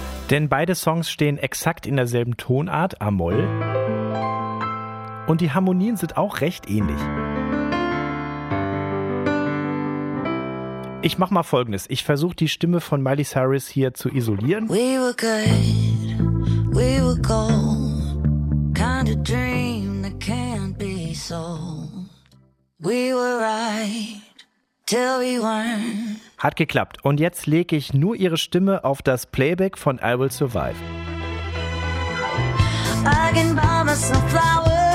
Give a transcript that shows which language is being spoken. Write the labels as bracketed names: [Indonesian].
[German] Denn beide Songs stehen exakt in derselben Tonart, A-Moll. Und die Harmonien sind auch recht ähnlich. Ich mach mal Folgendes. Ich versuche die Stimme von Miley Cyrus hier zu isolieren. [English] We were good, we were gold. Kind of dream that can't be sold. We were right, till we weren't. [German] Hat geklappt. Und jetzt lege ich nur ihre Stimme auf das Playback von I Will Survive. [English] I can buy myself flowers.